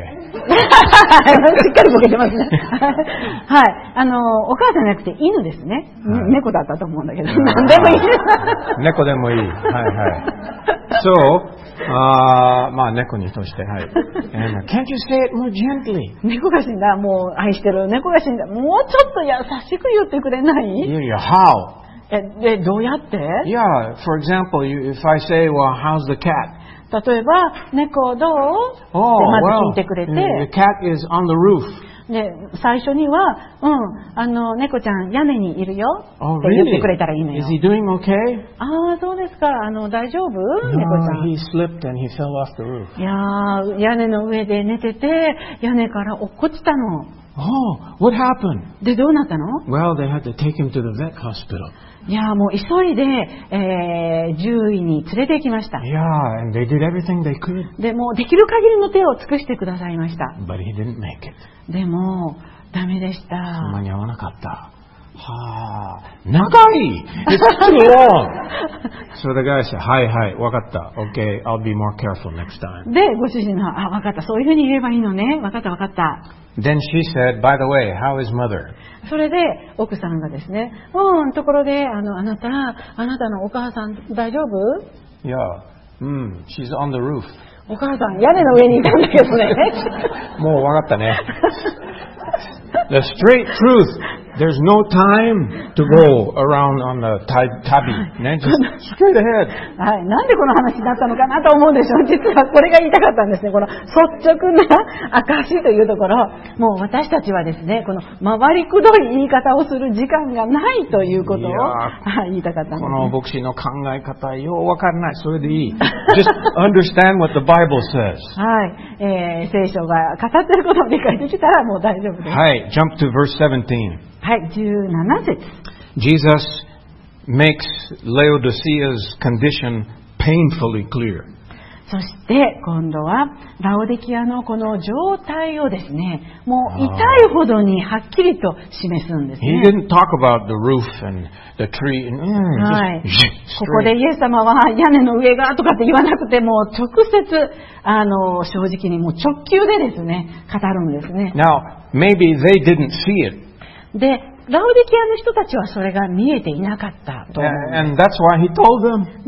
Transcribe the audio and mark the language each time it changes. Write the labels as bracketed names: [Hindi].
[Japanese] しっかりボケてますね。はい、お母さんじゃなくて犬ですね、はい、猫だったと思うんだけど、何でもいい。猫でもいい、はいはい。そう、まあ猫にとして、はい。 [English] Can't you say it more gently? [Japanese] 猫が死んだ、もう愛してる猫が死んだ、もうちょっと優しく言ってくれない？いやいや、 [English] How? [Japanese] え、どうやって？ [English] Yeah, for example, you, if I say, well, how's the cat? [Japanese] 例えば、猫どう？ Oh, まず聞いてくれて。 [English] The cat is on the roof. [Japanese] で、最初には、うん、猫ちゃん屋根にいるよ。 Oh, って言ってくれたらいいのよ。 [English] Really? Is he doing okay? [Japanese] ああ、そうですか。大丈夫？No, 猫ちゃん。 [English] He slipped and he fell off the roof. [Japanese] いやー、屋根の上で寝てて、屋根から落っこちたの。 [English] Oh, what happened? [Japanese] で、どうなったの？ [English] Well, they had to take him to the vet hospital. [Japanese] いやもう急いで、獣医に連れて行きました。 [English] Yeah, and they did everything they could. [Japanese] でもできる限りの手を尽くしてくださいました。 [English] But he didn't make it. [Japanese] でもダメでした。そんなに合わなかった。はあ、長い。 [English] It's too long. So the guy said, "Hi, hi, [Japanese] わかった。 [English] Okay, I'll be more careful next time." [Japanese] でご主人は、あ、わかった。そういうふうに言えばいいのね。わかった、わかった。 [English] Then she said, "By the way, how is mother?" [Japanese] それで奥さんがですね、うん、ところで、あなたのお母さん大丈夫？ [English] Yeah, she's on the roof. [Japanese] お母さん屋根の上にいたんだけどね。もうわかったね。 [English] The straight truth, there's no time to go around on the tabby. ね、just straight ahead. [Japanese] はい、なんでこの話になったのかなと思うんでしょう。実はこれが言いたかったんですね。この率直な証というところ、もう私たちはですね、この回りくどい言い方をする時間がないということを、はい、言いたかったんです、ね。この牧師の考え方、よう分からない。それでいい。 [English] just understand what the Bible says. [Japanese] はい、聖書が語っていることを理解できたらもう大丈夫です。 [English] はい、jump to verse 17. [Japanese] はい、17節。 [English] Jesus makes Laodicea's condition painfully clear. [Japanese] そして今度はラオデキアのこの状態をですね、もう痛いほどにはっきりと示すんですね。 [English] He didn't talk about the roof and the tree and [Japanese] ここでイエス様は屋根の上がとかって言わなくて、もう直接正直にもう直球でですね語るんですね。 [English] Now,Maybe they didn't see it. [Japanese] で、ラオディキアの人たちはそれが見えていなかったと思う。 [English] And that's why he told them.